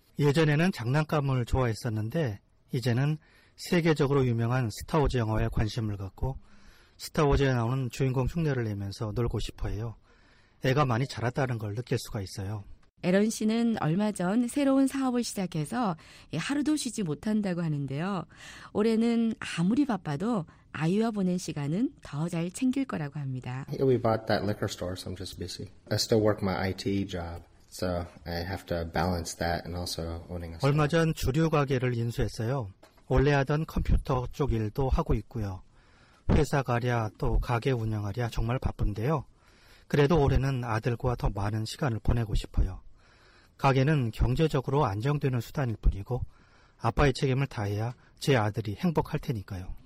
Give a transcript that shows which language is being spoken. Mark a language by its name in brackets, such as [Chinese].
[Korean] 예전에는 장난감을 좋아했었는데 이제는 세계적으로 유명한 스타워즈 영화에 관심을 갖고 스타워즈에 나오는 주인공 흉내를 내면서 놀고 싶어요. 애가 많이 자랐다는 걸 느낄 수가 있어요. 에런 씨는 얼마 전 새로운 사업을 시작해서 하루도 쉬지 못한다고 하는데요. 올해는 아무리 바빠도 아이와 보낸 시간은 더 잘 챙길 거라고 합니다. [English] We bought that liquor store, so I'm just busy. I still work my IT job. So I have to balance that and also owning a store. [Korean] 얼마 전 주류 가게를 인수했어요. 원래 하던 컴퓨터 쪽 일도 하고 있고요. 회사 가랴 또 가게 운영하랴 정말 바쁜데요. 그래도 올해는 아들과 더 많은 시간을 보내고 싶어요. 가게는 경제적으로 안정되는 수단일 뿐이고 아빠의 책임을 다해야 제 아들이 행복할 테니까요.